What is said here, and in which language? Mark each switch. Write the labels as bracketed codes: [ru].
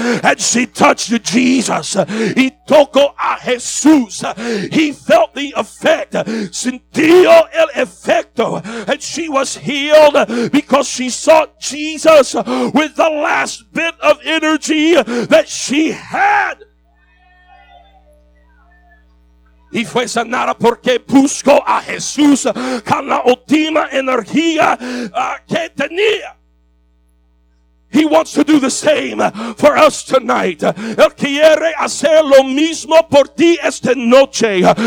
[en] And she touched Jesus. [es] Y tocó a Jesús. [en] He felt the effect. [es] Sintió el efecto. [en] And she was healed because she sought Jesus with the last bit of energy that she had. [es] Y fue sanada porque buscó a Jesús con la última energía que tenía. [en] He wants to do the same for us tonight. [es] Él quiere hacer lo mismo por ti esta noche.